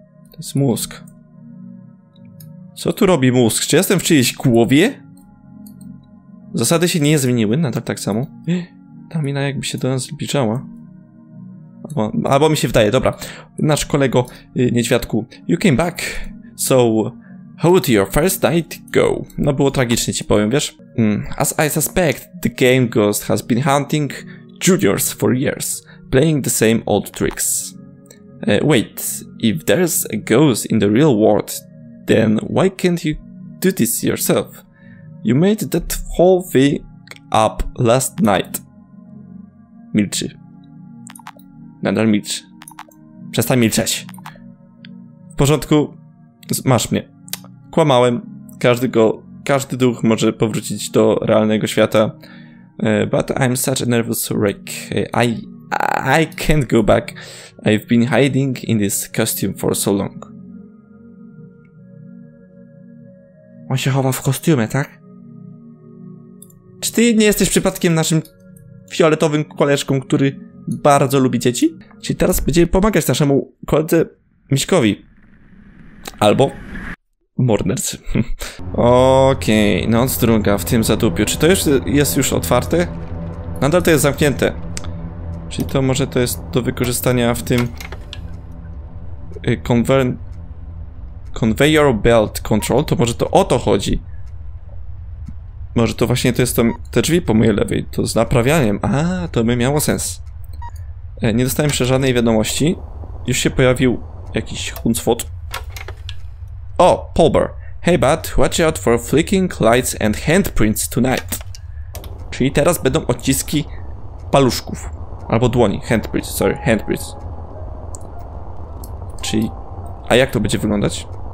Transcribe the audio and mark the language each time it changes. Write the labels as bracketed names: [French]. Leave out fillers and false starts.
[Polish] To jest mózg. Co tu robi mózg? Czy jestem w czyjejś głowie? Zasady się nie zmieniły, nadal tak samo. Ta mina jakby się do nas zbliżała. Albo mi się wydaje, dobra. Nasz kolego niedźwiadku. [English] You came back. So, how did your first night go? [Polish] No było tragicznie, ci powiem, wiesz. [English] As I suspect, the game ghost has been hunting juniors for years, playing the same old tricks. Wait, if there's a ghost in the real world, then why can't you do this yourself? You made that whole thing up last night. [Polish] Milczy. Nadal milczy. Przestań milczeć. W porządku. Masz mnie. Kłamałem. Każdy duch może powrócić do realnego świata. [English] But I'm such a nervous wreck. I can't go back. I've been hiding in this costume for so long. [Polish] On się chowa w kostiumie, tak? Czy ty nie jesteś przypadkiem naszym fioletowym koleżką, który bardzo lubi dzieci? Czyli teraz będziemy pomagać naszemu koledze Miśkowi. Albo... Morners. Okej, okay, noc druga w tym zadupiu. Czy to jest już otwarte? Nadal to jest zamknięte. Czyli to może to jest do wykorzystania w tym... [English] Conveyor belt control? [Polish] To może to o to chodzi. Może to właśnie to jest te drzwi po mojej lewej, to z naprawianiem. A, to by miało sens. Nie dostałem jeszcze żadnej wiadomości. Już się pojawił jakiś huncwot. O, Polber. [English] Hey bud, watch out for flicking lights and handprints tonight. [Polish] Czyli teraz będą odciski paluszków. Albo dłoni, handprints. Czyli, a jak to będzie wyglądać?